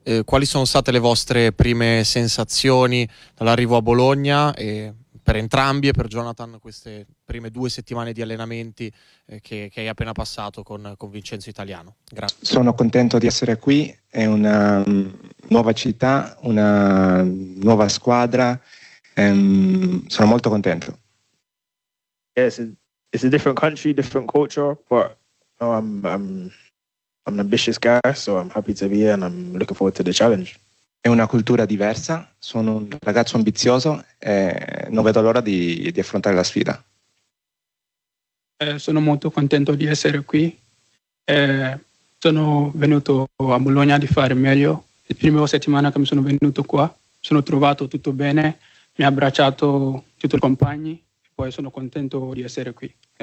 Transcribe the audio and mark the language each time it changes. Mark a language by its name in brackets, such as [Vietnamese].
[Italian] Quali sono state le vostre prime sensazioni dall'arrivo a Bologna, e per entrambi e per Jonathan, queste prime due settimane di allenamenti che hai appena passato con Vincenzo Italiano? Grazie. Sono contento di essere qui, è una nuova città, una nuova squadra. Sono molto contento. [English] Yes, it's a different country, different culture, but no, I'm an ambitious guy, so I'm happy to be here and I'm looking forward to the challenge. [Italian] È una cultura diversa, sono un ragazzo ambizioso e non vedo l'ora di affrontare la sfida. Sono molto contento di essere qui. Sono venuto a Bologna di fare meglio. La prima settimana che mi sono venuto qua, sono trovato tutto bene, mi ha abbracciato tutti i compagni e poi sono contento di essere qui.